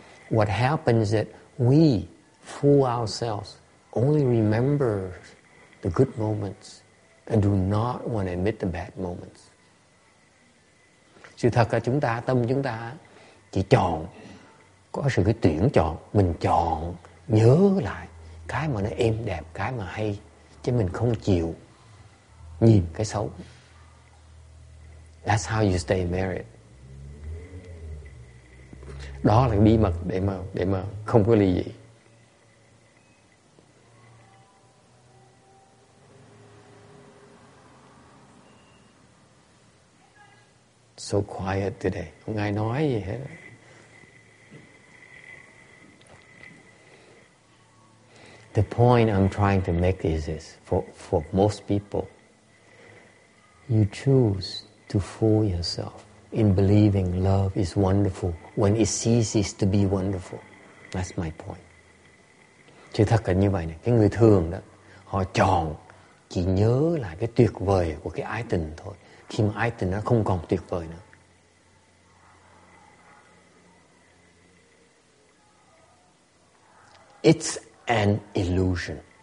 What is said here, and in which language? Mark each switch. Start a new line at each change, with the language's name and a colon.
English: What happens is that we fool ourselves, only remember the good moments and do not want to admit the bad moments.
Vietnamese: Sự thật là chúng ta, tâm chúng ta chỉ chọn, có sự cái tuyển chọn, mình chọn nhớ lại cái mà nó êm đẹp, cái mà hay, chứ mình không chịu nhìn cái xấu.
English: That's how you stay married.
Vietnamese: Đó là cái bí mật để mà không có ly dị.
English: So quiet today.
Vietnamese: Không ai nói gì hết.
English: The point I'm trying to make is this. For most people, you choose to fool yourself in believing love is wonderful when it ceases to be wonderful. That's my point.
Vietnamese: Chứ thật là như vậy này. Cái người thường đó, họ chọn chỉ nhớ lại cái tuyệt vời của cái ái tình thôi. Khi mà ái tình nó không còn tuyệt vời nữa.
English: It's an illusion.